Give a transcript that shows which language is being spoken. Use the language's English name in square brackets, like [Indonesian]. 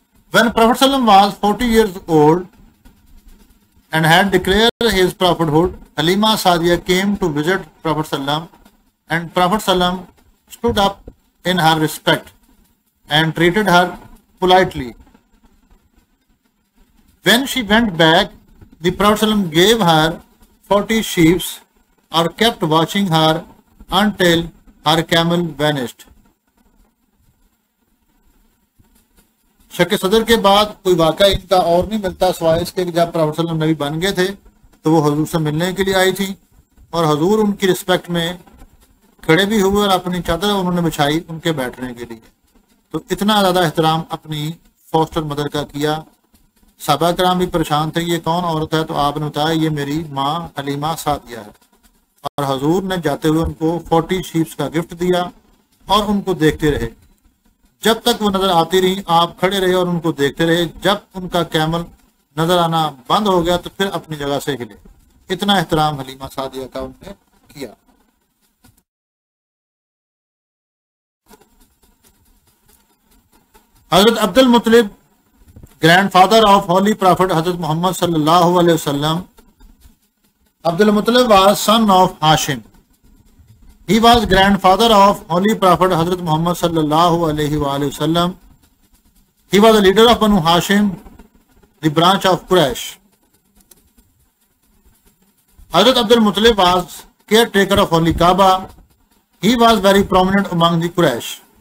[English] When Prophet ﷺ was 40 years old and had declared his prophethood, Halima Saadia came to visit Prophet ﷺ, and Prophet ﷺ stood up in her respect and treated her politely. When she went back, the Prophet ﷺ gave her 40 sheep and kept watching her until her camel vanished. [Urdu] شک صدر کے بعد کوئی واقعہ ان کا اور نہیں ملتا سوائے اس کے کہ جب پروفیٹ صلی اللہ علیہ وسلم نبی بن گئے تھے تو وہ حضور سے ملنے کے لیے آئی تھی اور حضور ان کی رسپیکٹ میں کھڑے بھی ہوئے اور اپنی چادر انہوں نے بچھائی ان کے بیٹھنے کے لیے. تو اتنا زیادہ احترام اپنی فوسٹر مدر کا کیا. صحابہ کرام بھی پریشان تھے یہ کون عورت ہے, تو آپ نے بتایا یہ میری ماں حلیمہ سعدیہ ہے. اور حضور نے جاتے ہوئے ان کو 40 شیپس کا گفٹ دیا اور ان کو دیکھتے رہے. جب تک وہ نظر آتی رہی آپ کھڑے رہے اور ان کو دیکھتے رہے. جب ان کا کیمل نظر آنا بند ہو گیا تو پھر اپنی جگہ سے ہلے. اتنا احترام حلیمہ سعدیہ کا انہوں نے کیا. [English] حضرت عبد المطلب grand father of holy prophet حضرت محمد صلی اللہ علیہ وسلم. Abdul Muttalib was son of Hashim. He was grandfather of Holy Prophet Hazrat Muhammad sallallahu alayhi wa sallam. He was a leader of Banu Hashim, the branch of Quraysh. Hazrat Abdul Muttalib was caretaker of Holy Kaaba. He was very prominent among the Quraysh.